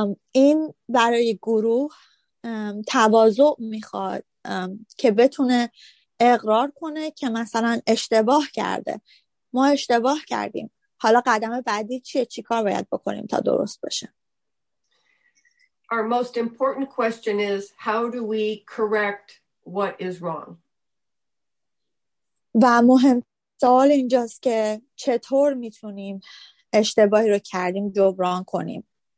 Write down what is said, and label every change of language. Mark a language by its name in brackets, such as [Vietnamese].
[Persian] این برای گروه تواضع میخواد که بتونه اقرار کنه که مثلا اشتباه کرده. ما اشتباه کردیم. حالا قدم بعدی چیه؟ چی کار باید بکنیم تا درست بشه؟ [English] Our most important question is how do we correct what is wrong? [Persian] و مهم سوال اینجاست که چطور میتونیم اشتباهی رو کردیم جبران کنیم؟